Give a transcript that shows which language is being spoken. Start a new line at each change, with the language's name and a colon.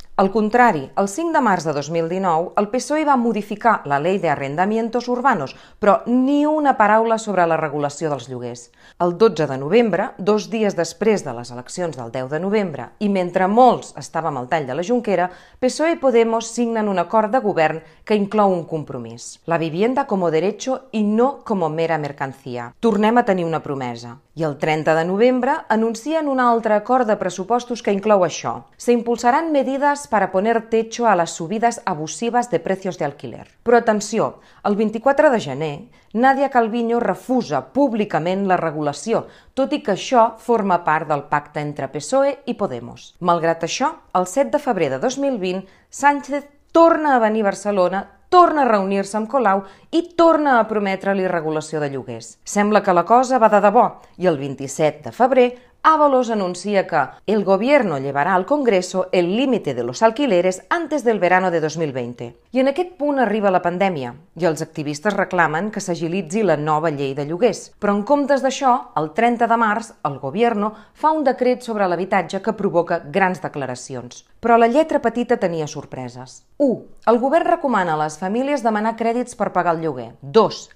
Catalan: Al contrari, el 5 de març de 2019, el PSOE va modificar la Ley de Arrendamientos Urbanos, però ni una paraula sobre la regulació dels lloguers. El 12 de novembre, dos dies després de les eleccions del 10 de novembre, i mentre molts estàvem al tall de la Jonquera, PSOE i Podemos signen un acord de govern que inclou un compromís.
Spanish: La vivienda como derecho y no como mera mercancía.
Catalan: Tornem a tenir una promesa. I el 30 de novembre anuncien un altre acord de pressupostos que inclou això.
Spanish: Se impulsarán medidas para poner techo a las subidas abusivas de precios de alquiler.
Catalan: Però atenció, el 24 de gener, Nadia Calviño refusa públicament la regulació, tot i que això forma part del pacte entre PSOE i Podemos. Malgrat això, el 7 de febrer de 2020, Sánchez torna a venir a Barcelona, torna a reunir-se amb Colau i torna a prometre-li regulació de lloguers. Sembla que la cosa va de debò i el 27 de febrer Ábalos anuncia que
Spanish: el gobierno llevará al Congreso el límite de los alquileres antes del verano de 2020.
Catalan: I en aquest punt arriba la pandèmia i els activistes reclamen que s'agilitzi la nova llei de lloguers. Però en comptes d'això, el 30 de març, el gobierno fa un decret sobre l'habitatge que provoca grans declaracions. Però la lletra petita tenia sorpreses. 1. El govern recomana a les famílies demanar crèdits per pagar el lloguer. 2.